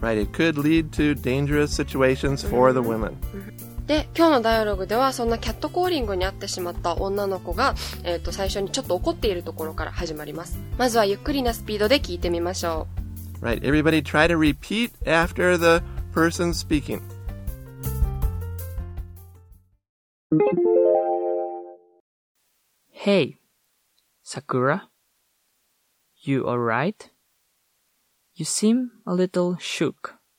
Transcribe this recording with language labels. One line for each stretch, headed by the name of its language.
English: Right, it could lead to dangerous situations for mm-hmm. the women.
Japanese: で、今日のダイアログでは、そんなキャットコーリングに遭ってしまった女の子が、最初にちょっと怒っているところから始まります。まずはゆっくりなスピードで聞いてみましょう。
English: Right, everybody try to repeat after the person speaking. Hey, Sakura. You alright? You seem a little shook.